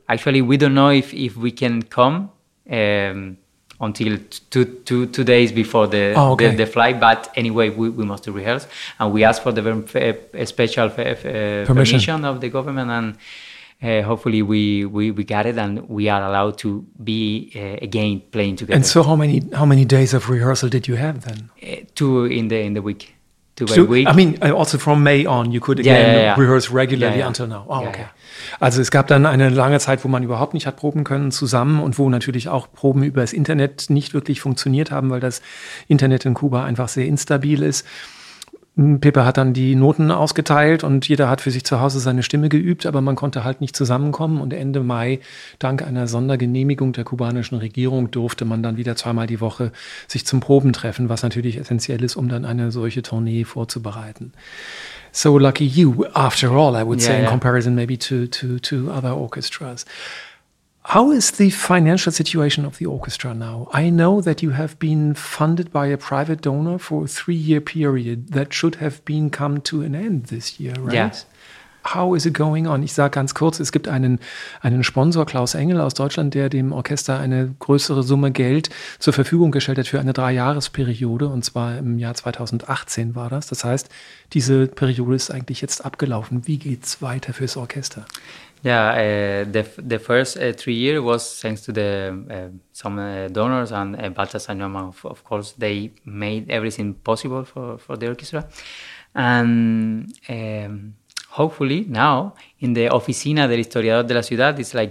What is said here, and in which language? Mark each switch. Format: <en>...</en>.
<en>Actually, we don't know if we can come until two days before the flight, but anyway we must rehearse, and we ask for the special permission of the government, and Hopefully we got it and we are allowed to be again playing together. And so how many days of rehearsal did you have then? Two by week. I mean, also from May on, you could again rehearse regularly until now. Oh, okay. Yeah.</en> <de>Also es gab dann eine lange Zeit, wo man überhaupt nicht hat proben können zusammen und wo natürlich auch Proben über das Internet nicht wirklich funktioniert haben, weil das Internet in Kuba einfach sehr instabil ist. Pepe hat dann die Noten ausgeteilt und jeder hat für sich zu Hause seine Stimme geübt, aber man konnte halt nicht zusammenkommen. Und Ende Mai, dank einer Sondergenehmigung der kubanischen Regierung, durfte man dann wieder zweimal die Woche sich zum Proben treffen, was natürlich essentiell ist, um dann eine solche Tournee vorzubereiten.</de> <en>So lucky you, after all, I would say, in comparison maybe to other orchestras. How is the financial situation of the orchestra now? I know that you have been funded by a private donor for a 3-year period that should have been come to an end this year, right? Yes. How is it going on?</en> <de>Ich sage ganz kurz, es gibt einen Sponsor, Klaus Engel aus Deutschland, der dem Orchester eine größere Summe Geld zur Verfügung gestellt hat für eine 3-Jahres-Periode, und zwar im Jahr 2018 war das. Das heißt, diese Periode ist eigentlich jetzt abgelaufen. Wie geht's weiter fürs Orchester?</de> <en>Yeah, the first 3 year was thanks to the some donors and Baltasar Neumann, of course. They made everything possible for the orchestra, and hopefully now in the Oficina del Historiador de la Ciudad, it's like</en>